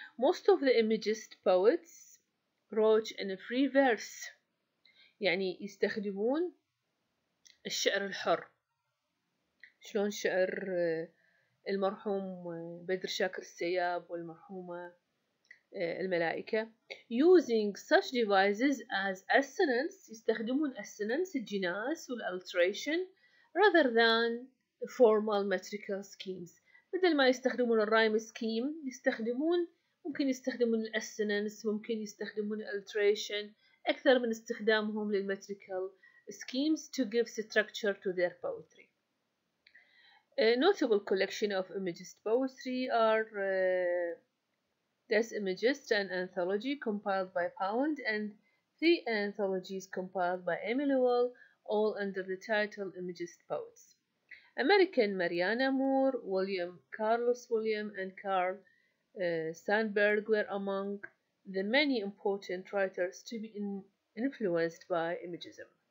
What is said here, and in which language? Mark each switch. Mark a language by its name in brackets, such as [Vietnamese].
[English] Most of the imagist poets wrote in a free verse, [Arabic] يعني يستخدمون الشعر الحر. شلون شعر المرحوم بدر شاكر السياب والمرحومة الملائكة. [English] Using such devices as assonance, [Arabic] يستخدمون [English] assonance [Arabic] الجناس [English] والalteration rather than formal metrical schemes. [Arabic] بدل ما يستخدمون الرايم سكيم يستخدمون ممكن يستخدمون الاسننس, ممكن يستخدمون الالتريشن اكثر من استخدامهم للمتريكال سكيمز [English] to give structure to their poetry. Notable collection of imagist poetry are Imagist, an anthology compiled by Pound, and three anthologies compiled by Amy Lowell, all under the title Imagist Poets. American Mariana Moore, William Carlos William, and Carl Sandburg were among the many important writers to be influenced by imagism.